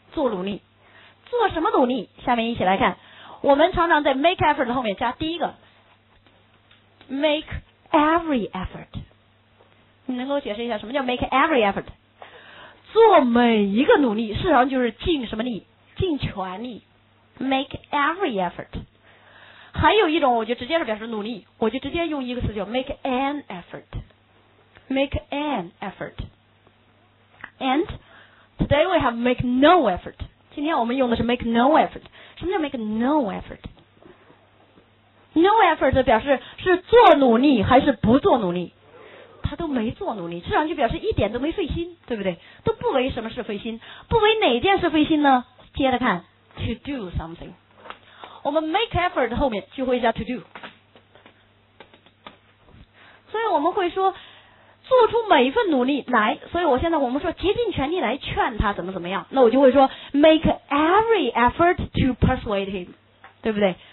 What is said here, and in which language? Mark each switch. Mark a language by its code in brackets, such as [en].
[zh] 做努力。做什么努力？下面一起来看，我们常常在 make effort 后面加第一个 make every effort， 你能够解释一下什么叫 make every effort？做每一个努力，实际上就是尽什么力？尽全力，make every effort。还有一种我就直接是表示努力，我就直接用一个词叫 make an effort， make an effort。 [en] And today we have make no effort， [zh] 今天我们用的是 [en] make no effort。 [zh] 什么叫 [en] make no effort？ [zh] No effort 表示是做努力还是不做努力，他都没做努力，实际上就表示一点都没费心，对不对？都不为什么事费心，不为哪件事费心呢？接着看 to do something， 我们 make effort 后面就会加 to do， 所以我们会说做出每一份努力来，所以我现在我们说竭尽全力来劝他怎么怎么样，那我就会说 [en] make every effort to persuade him， [zh] 对不对？